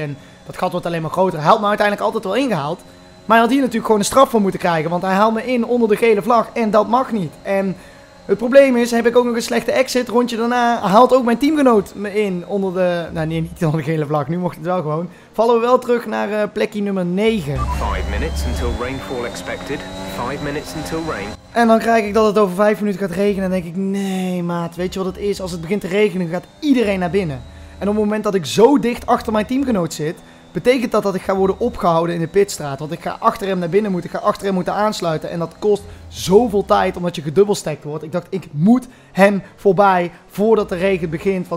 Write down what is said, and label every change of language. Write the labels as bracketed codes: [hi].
[nl] En dat gat wordt alleen maar groter. Hij had me uiteindelijk altijd wel ingehaald. Maar hij had hier natuurlijk gewoon een straf voor moeten krijgen. Want hij haalt me in onder de gele vlag. En dat mag niet. En Het probleem is, heb ik ook nog een slechte exit. Rondje daarna haalt ook mijn teamgenoot me in onder de... Nou, nee, niet onder de gele vlag. Nu mocht het wel gewoon. Vallen we wel terug naar plekje nummer 9. [en] 5 minutes until rainfall expected. 5 minutes until rain. [nl] En dan krijg ik dat het over 5 minuten gaat regenen. En denk ik, nee maat, weet je wat het is? Als het begint te regenen, gaat iedereen naar binnen. En op het moment dat ik zo dicht achter mijn teamgenoot zit... Betekent dat dat ik ga worden opgehouden in de pitstraat? Want ik ga achter hem naar binnen moeten, ik ga achter hem moeten aansluiten. En dat kost zoveel tijd omdat je gedubbelstekt wordt. Ik dacht, ik moet hem voorbij voordat de regen begint.